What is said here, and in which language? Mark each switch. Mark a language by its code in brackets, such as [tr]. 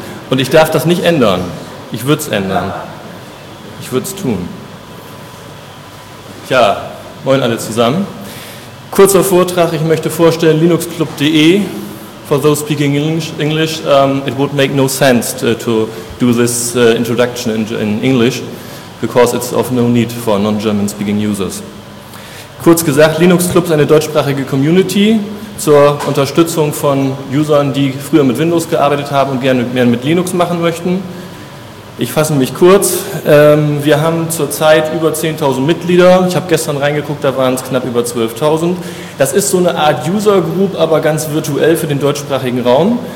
[de] Und ich darf das nicht ändern. Ich würde es ändern. Ich würde es tun. Tja, moin alle zusammen. Kurzer Vortrag, ich möchte vorstellen linuxclub.de. [en] For those speaking English, it would make no sense to do this introduction in English, because it's of no need for non-German speaking users. [de] Kurz gesagt, Linux Club ist eine deutschsprachige Community zur Unterstützung von Usern, die früher mit Windows gearbeitet haben und gerne mehr mit Linux machen möchten. Ich fasse mich kurz. Wir haben zurzeit über 10.000 Mitglieder. Ich habe gestern reingeguckt, da waren es knapp über 12.000. Das ist so eine Art User Group, aber ganz virtuell für den deutschsprachigen Raum.